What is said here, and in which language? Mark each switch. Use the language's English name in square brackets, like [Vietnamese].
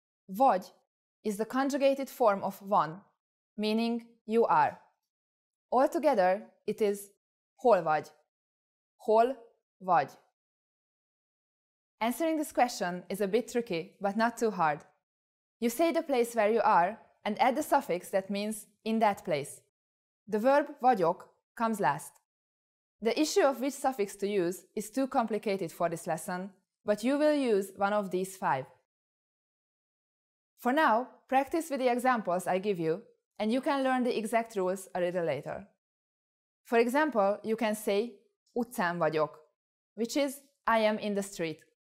[English] Vagy is the conjugated form of van, meaning you are. Altogether, it is [Hungarian] hol vagy. Hol vagy. [English] Answering this question is a bit tricky, but not too hard. You say the place where you are and add the suffix that means in that place. The verb vagyok comes last. The issue of which suffix to use is too complicated for this lesson, but you will use one of these five. For now, practice with the examples I give you, and you can learn the exact rules a little later. For example, you can say [Hungarian] utcán vagyok, [English] which is I am in the street.